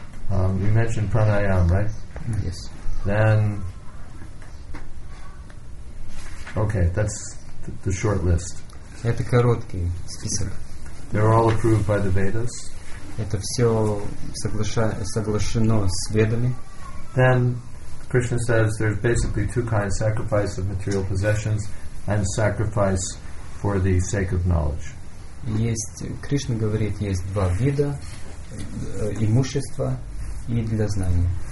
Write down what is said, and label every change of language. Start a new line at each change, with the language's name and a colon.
English: You mentioned pranayama, right? Yes. Then, okay, that's the short list.
Russian: Это короткий список.
English: They're all approved by the Vedas.
Russian: Это все соглашено с ведами.
English: Then Krishna says there's basically two kinds: sacrifice of material possessions and sacrifice for the sake of knowledge.
Russian: Есть Кришна говорит, есть два вида имущества и для знания.